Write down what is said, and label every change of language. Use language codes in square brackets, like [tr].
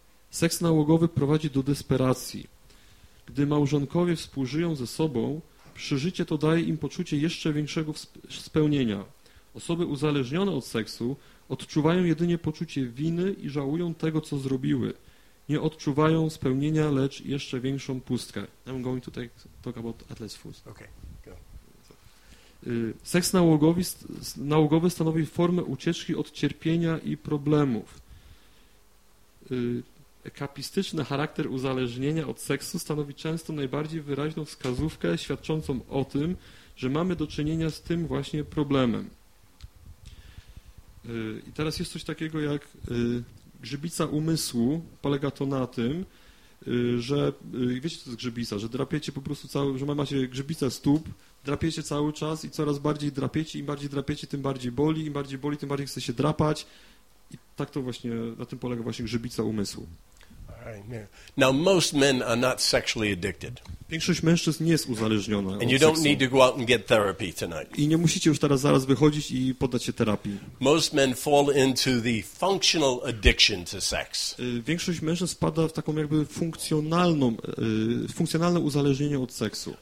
[pl] Seks nałogowy prowadzi do desperacji. Gdy małżonkowie współżyją ze sobą, przeżycie to daje im poczucie jeszcze większego spełnienia. Osoby uzależnione od seksu odczuwają jedynie poczucie winy i żałują tego, co zrobiły. Nie odczuwają spełnienia, lecz jeszcze większą pustkę. [en] I'm going to talk about Atlas Fuse. Okay. [pl] Seks nałogowy, stanowi formę ucieczki od cierpienia i problemów. Ekapistyczny charakter uzależnienia od seksu stanowi często najbardziej wyraźną wskazówkę świadczącą o tym, że mamy do czynienia z tym właśnie problemem. I teraz jest coś takiego jak grzybica umysłu. Polega to na tym, że wiecie, co to jest grzybica, że drapiecie po prostu cały, że macie grzybicę stóp, drapiecie cały czas i coraz bardziej drapiecie, im bardziej drapiecie, tym bardziej boli, im bardziej boli, tym bardziej chce się drapać. I tak to właśnie, na tym polega właśnie grzybica umysłu. [en] Now, most men are not sexually addicted. [pl] Większość mężczyzn nie jest uzależniona [en] and you don't need to go out and get therapy tonight. [pl] I nie musicie już teraz zaraz wychodzić i poddać się terapii. [en] Most men fall into the functional addiction to sex. [pl] Większość mężczyzn spada w taką jakby funkcjonalną, funkcjonalne uzależnienie od seksu.